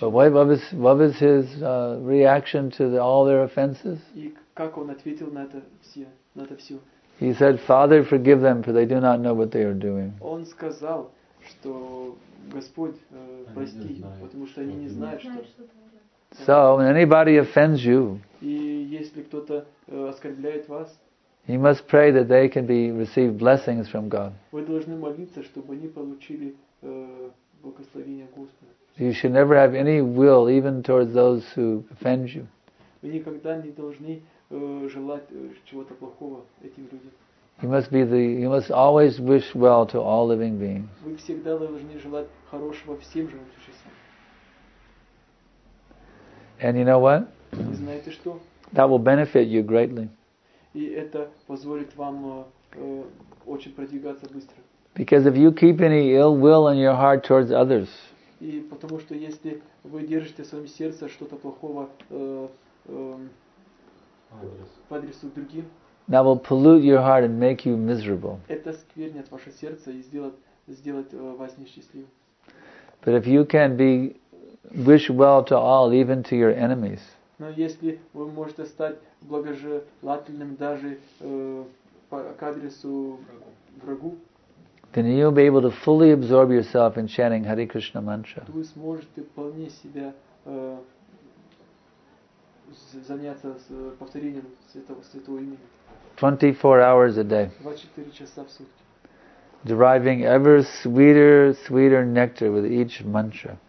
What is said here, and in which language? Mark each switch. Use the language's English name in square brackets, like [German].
[English] But what was his reaction to all their offenses? [Russian] И как он ответил на это все, на это все? [English] He said, "Father, forgive them, for they do not know what they are doing." [Russian] Он сказал, что Господь, прости, потому что они не знают, что. [English] So, when anybody offends you, [Russian] и если кто-то оскорбляет вас, [English] he must pray that they can be received blessings from God. [Russian] Вы должны молиться, чтобы они получили благословение Господа. [English] You should never have any will even towards those who offend you. [Russian] Вы никогда не должны желать чего-то плохого этим людям. [English] You must always wish well to all living beings. [Russian] Вы всегда должны желать хорошего всем живым существам. [English] And you know what? [Russian] Вы знаете что? [English] That will benefit you greatly. [Russian] И это позволит вам очень продвигаться быстро. [English] Because if you keep any ill will in your heart towards others. [Russian] И потому что если вы держите в своем сердце что-то плохого по адресу другим. [English] That will pollute your heart and make you miserable. [Russian] Это сквернит ваше сердце и сделать вас несчастливым. [English] But if you can wish well to all, even to your enemies. [Russian] Но если вы можете стать благожелательным даже к адресу врагу. [English] Then you'll be able to fully absorb yourself in chanting Hare Krishna mantra. [Russian] Вы сможете вполне себя заняться повторением святого имени. [English] 24 hours a day. [Russian] 24 часа в сутки. [English] deriving ever sweeter, sweeter nectar with each mantra.